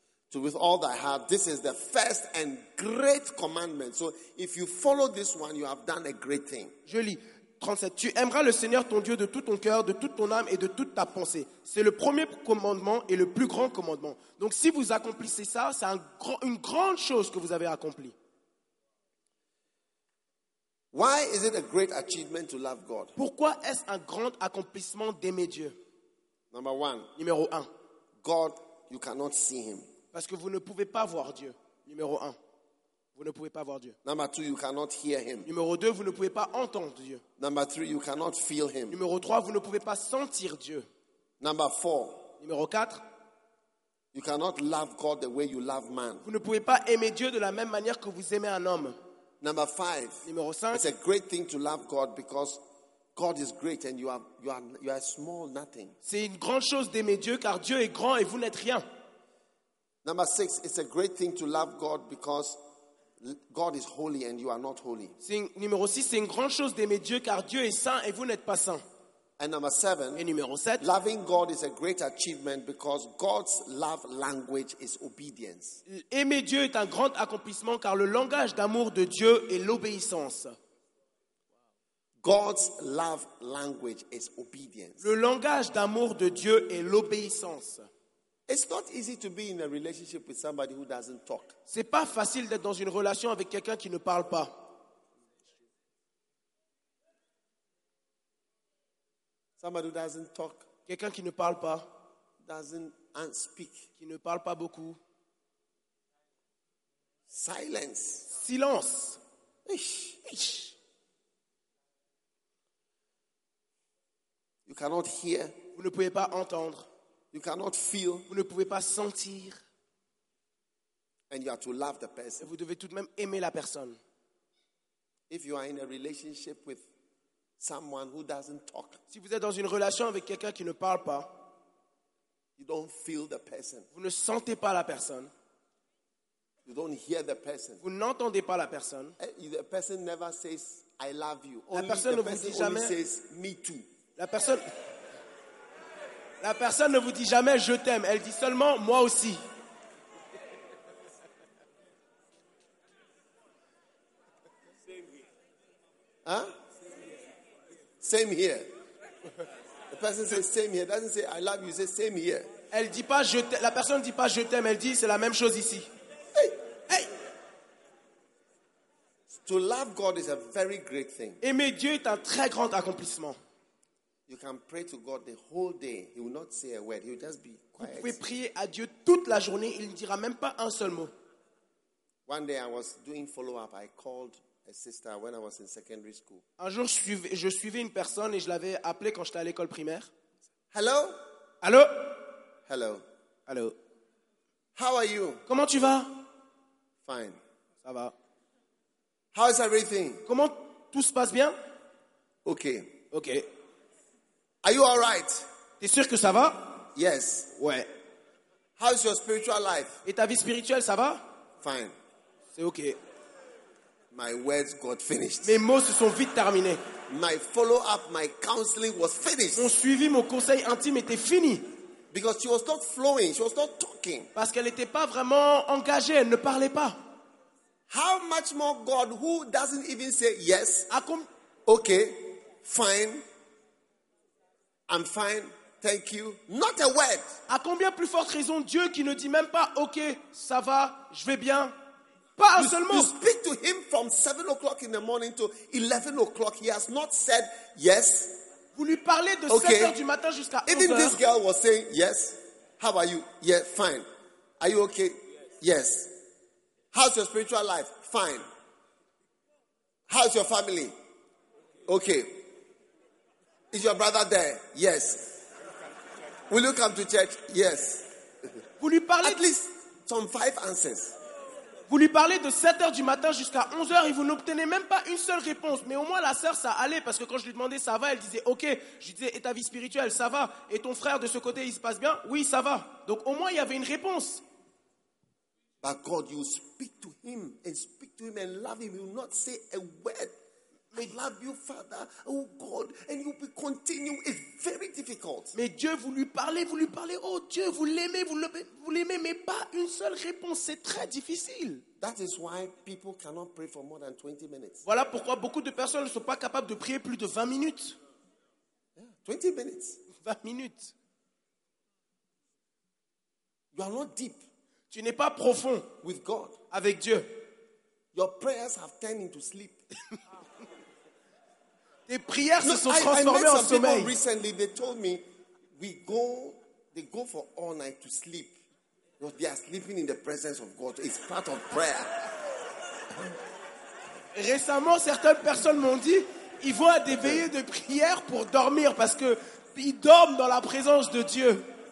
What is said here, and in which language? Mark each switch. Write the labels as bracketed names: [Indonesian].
[English] So with all thy heart, this is the first and great commandment. So if you follow this one, you have done a great thing. [French] Je lis 37. Tu aimeras le Seigneur ton Dieu de tout ton cœur, de toute ton âme et de toute ta pensée. C'est le premier commandement et le plus grand commandement. Donc si vous accomplissez ça, c'est une grande chose que vous avez accomplie. [English] Why is it a great achievement to love God? [French] Pourquoi est-ce un grand accomplissement d'aimer Dieu? [English] Number one. [French] Numéro un. [English] God, you cannot see him. [French] Parce que vous ne pouvez pas voir Dieu. Numéro 1. Vous ne pouvez pas voir Dieu. [English] Number 2, you cannot hear him. [French] Numéro 2, vous ne pouvez pas entendre Dieu. [English] Number 3, you cannot feel him. [French] Numéro 3, vous ne pouvez pas sentir Dieu. [English] Number 4. [French] Numéro 4. [English] You cannot love God the way you love man. [French] Vous ne pouvez pas aimer Dieu de la même manière que vous aimez un homme. [English] Number 5. [French] Numéro 5. [English] It's a great thing to love God because God is great and you are small nothing. [French] C'est une grande chose d'aimer Dieu car Dieu est grand et vous n'êtes rien. [English] Number 6, it's a great thing to love God because God is holy and you are not holy. [French] Numéro 6, c'est une grande chose d'aimer Dieu car Dieu est saint et vous n'êtes pas saint. [English] And number 7, [French] et numéro 7, [English] loving God is a great achievement because God's love language is obedience. [French] Aimer Dieu est un grand accomplissement car le langage d'amour de Dieu est l'obéissance. [English] God's love language is obedience. [French] Le langage d'amour de Dieu est l'obéissance. [English] It's not easy to be in a relationship with somebody who doesn't talk. [French] C'est pas facile d'être dans une relation avec quelqu'un qui ne parle pas. [English] Somebody who doesn't talk. [French] Quelqu'un qui ne parle pas. [English] Doesn't speak. [French] Qui ne parle pas beaucoup. [English] Silence. [French] Silence. Ish. Ish. [English] You cannot hear. [French] Vous ne pouvez pas entendre. [English] You cannot feel. [French] Vous ne pouvez pas sentir. [English] And you have to love the person. [French] Et vous devez tout de même aimer la personne. [English] If you are in a relationship with someone who doesn't talk. [French] Si vous êtes dans une relation avec quelqu'un qui ne parle pas. [English] You don't feel the person. [French] Vous ne sentez pas la personne. [English] You don't hear the person. [French] Vous n'entendez pas la personne. [English] The person never says I love you. [French] La personne ne vous dit jamais. [English] Only says me too. [French] La personne ne vous dit jamais je t'aime, elle dit seulement moi aussi. [English] Hein? Same here. The person says same here, doesn't say I love you, say same here. [French] Elle dit pas je t'aime. La personne dit pas je t'aime, elle dit c'est la même chose ici. [English] Hey. Hey. To love God is a very great thing. [French] Aimer Dieu est un très grand accomplissement. [English] You can pray to God the whole day. He will not say a word. He will just be quiet. [French] Vous pouvez prier à Dieu toute la journée. Il ne dira même pas un seul mot. [English] One day I was doing follow-up. I called a sister when I was in secondary school. [French] Un jour, je suivais une personne et je l'avais appelée quand j'étais à l'école primaire. [English] Hello? [French] Allô? [English] Hello. [French] Hello. [English] How are you? [French] Comment tu vas? [English] Fine. [French] Ça va. [English] How is everything? [French] Comment tout se passe bien? [English] Okay. [French] Okay. [English] Are you all right? [French] T'es sûr que ça va? [English] Yes. [French] Ouais. [English] How's your spiritual life? [French] Et ta vie spirituelle, ça va? [English] Fine. [French] C'est ok. [English] My words got finished. [French] Mes mots se sont vite terminés. [English] My follow-up, my counseling was finished. [French] Mon suivi, mon conseil intime était fini. [English] Because she was not flowing, she was not talking. [French] Parce qu'elle n'était pas vraiment engagée, elle ne parlait pas. [English] How much more God who doesn't even say yes? Okay, fine. I'm fine. Thank you. Not a word. [French] À combien plus forte raison Dieu qui ne dit même pas OK, ça va, je vais bien. Pas un seul mot. [English] You speak to him from 7 o'clock in the morning to 11 o'clock. He has not said yes. [French] Vous lui parlez de 7h du matin jusqu'à 11h. [English] Even this girl was saying yes. How are you? Yeah, fine. Are you okay? Yes. How's your spiritual life? Fine. How's your family? Okay. Is your brother there? Yes. Will you come to church? Yes. [French] Vous lui parlez [English] at least some 5 answers. [French] Vous lui parlez de 7h du matin jusqu'à 11h et vous n'obtenez même pas une seule réponse. Mais au moins la sœur, ça allait parce que quand je lui demandais ça va, elle disait ok. Je lui disais et ta vie spirituelle, ça va? Et ton frère de ce côté, il se passe bien? Oui, ça va. Donc au moins il y avait une réponse. [English] But God, you speak to him and speak to him and love him. You will not say a word. I love you, Father. Oh God, and you will continue. It's very difficult. [French] Mais Dieu, vous lui parlez. Oh Dieu, vous l'aimez, mais pas une seule réponse. C'est très difficile. [English] That is why people cannot pray for more than 20 minutes. [French] Voilà pourquoi beaucoup de personnes ne sont pas capables de prier plus de 20 minutes. [English] Yeah, 20 minutes. [French] 20 minutes. [English] You are not deep. [French] Tu n'es pas profond [English] with God. [French] Avec Dieu. [English] Your prayers have turned into sleep. [French] Tes prières se sont transformées en sommeil. [English] Recently, they told me they go for all night to sleep. But they are sleeping in the presence of God. It's part of prayer. [French] Récemment, certaines personnes m'ont dit ils vont à des veillées de prière pour dormir parce que ils dorment dans la présence de Dieu.